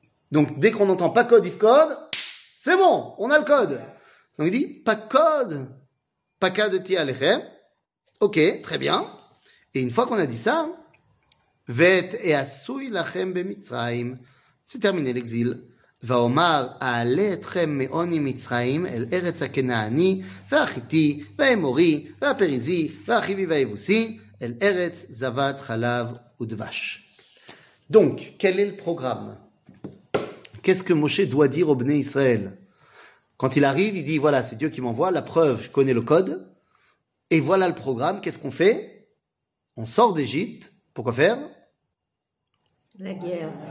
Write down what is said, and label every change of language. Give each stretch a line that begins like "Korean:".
French: Donc dès qu'on entend Pakod, ifkod, c'est bon, on a le code. Donc il dit
Hebrew: Pakod, pakadeti alechem.
French: Ok, très bien. Et une fois qu'on a dit ça,
Hebrew: Vet et asui lachem bemitzraim.
French: C'est terminé l'exil.
Hebrew: ואומר, אעלה אתכם מעוני מצרים אל ארץ הכנעני והחיתי והאמורי והפריזי והחיבי והיבוסי אל ארץ זבת חלב ודבש.
French: Donc, quel est le programme? Qu'est-ce que Moshe doit dire aux bnei Israël? Quand il arrive, il dit, voilà, c'est Dieu qui m'envoie, la preuve, je connais le code. Et voilà le programme, qu'est-ce qu'on fait? On sort d'Égypte, pour quoi faire? La guerre.